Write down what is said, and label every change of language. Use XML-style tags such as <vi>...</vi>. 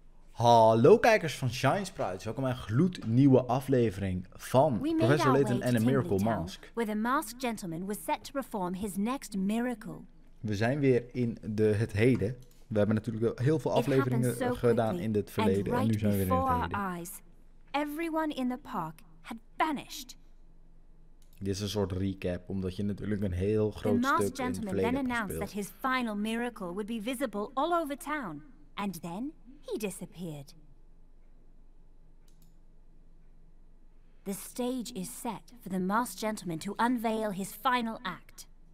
<nl>Hallo kijkers van ShineSprites, welkom bij een gloednieuwe aflevering van Professor Layton en een Miracle Mask.</nl> <en>Where the masked gentleman was set to perform his next miracle.</en> <nl>We zijn weer in het heden. We hebben natuurlijk heel veel afleveringen gedaan in het verleden en nu zijn we weer in het heden.</nl> <en>Everyone in the park had vanished.</en> <nl>Dit is een soort recap, omdat je natuurlijk een heel groot stuk in het verleden hebt gespeeld.</nl> <en>The masked gentleman then announced that his final miracle would be visible all over town. And then he disappeared. The stage is set for the masked gentleman to unveil his final act.</en>